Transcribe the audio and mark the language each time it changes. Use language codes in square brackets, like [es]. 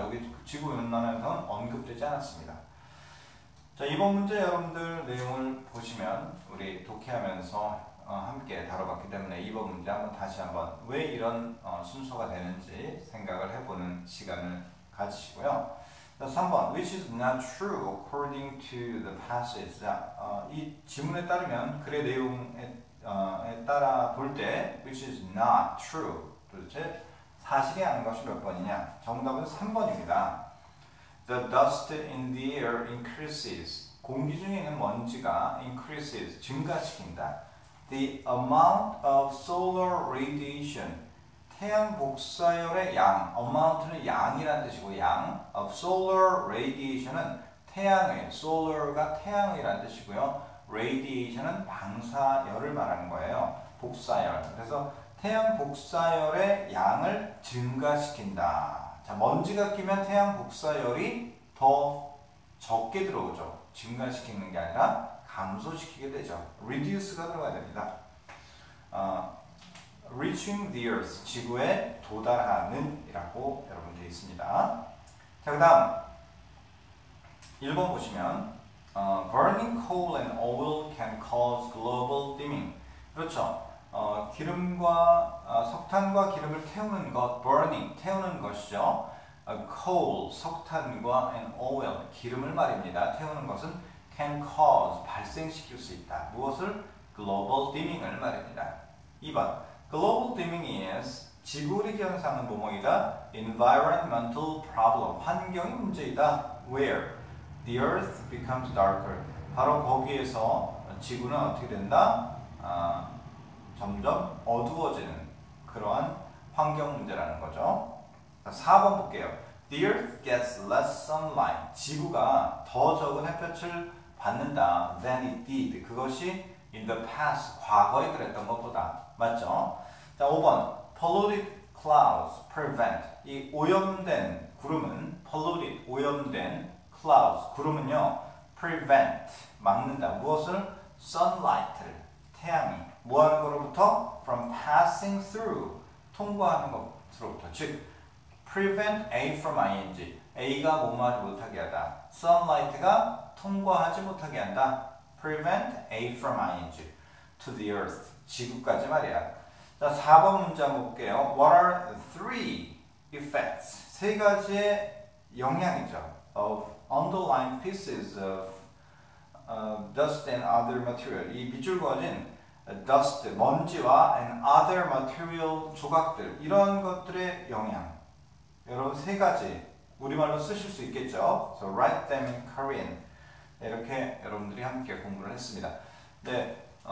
[ko] 여기 지구 온난화 현상은 언급되지 않았습니다. 자, 이번 문제 여러분들 내용을 보시면 우리 독해하면서 함께 다뤄봤기 때문에 이번 문제 한번 다시 한번 왜 이런 순서가 되는지 생각을 해보는 시간을 가지시고요. 자, 3번, [en] which is not true according to the passage. [ko] 자, 이 지문에 따르면 글의 내용에 따라 볼 때 [en] which is not true, [ko] 도대체 사실이 아닌 것이 몇 번이냐? 정답은 3번입니다. [en] The dust in the air increases. [ko] 공기 중에 있는 먼지가 increases, 증가시킨다. [en] The amount of solar radiation, [ko] 태양 복사열의 양, amount는 양이라는 뜻이고 양, [en] of solar radiation은 [ko] 태양의, solar가 태양이라는 뜻이고요. radiation은 방사열을 말하는 거예요. 복사열. 그래서 태양 복사열의 양을 증가시킨다. 자, 먼지가 끼면 태양 복사열이 더 적게 들어오죠. 증가시키는 게 아니라 감소시키게 되죠. reduce가 들어가야 됩니다. [en] reaching the earth, [ko] 지구에 도달하는 이라고 여러분 되어 있습니다. 자, 그 다음 1번 보시면 [en] burning coal and oil can cause global dimming. [ko] 그렇죠. 기름과 석탄과 기름을 태우는 것, burning, 태우는 것이죠. coal, 석탄과 and oil, 기름을 말입니다. 태우는 것은 can cause, 발생시킬 수 있다. 무엇을? global dimming을 말입니다. 2번, global dimming is 지구 흐리기 현상은 뭐뭐이다? [en] environmental problem, [ko] 환경이 문제이다. [en] where? the earth becomes darker. [ko] 바로 거기에서 지구는 어떻게 된다? 점점 어두워지는 그러한 환경 문제라는 거죠. 4번 볼게요. [en] The earth gets less sunlight. [ko] 지구가 더 적은 햇볕을 받는다. [en] than it did. [ko] 그것이 [en] in the past, [ko] 과거에 그랬던 것보다. 맞죠? 자, 5번. [en] Polluted clouds prevent. [ko] 이 오염된 구름은, polluted, 오염된 clouds, 구름은요, prevent, 막는다. 무엇을? sunlight를, 태양이. 뭐하는 거로부터? [en] From passing through, [ko] 통과하는 것으로부터. [en] 즉, prevent A from ing. [ko] A가 뭐하지 못하게 하다. Sunlight가 통과하지 못하게 한다. [en] Prevent A from ing. To the earth. [ko] 지구까지 말이야. 자, 4번 문장 볼게요. [en] What are three effects? [ko] 세 가지의 영향이죠. [en] Of underlying pieces of dust and other material. [ko] 이 밑줄 그어진 dust, 먼지와 [en] and other material [ko] 조각들. 이런 것들의 영향. 여러분, 세 가지. 우리말로 쓰실 수 있겠죠? [en] So write them in Korean. [ko] 이렇게 여러분들이 함께 공부를 했습니다. 네.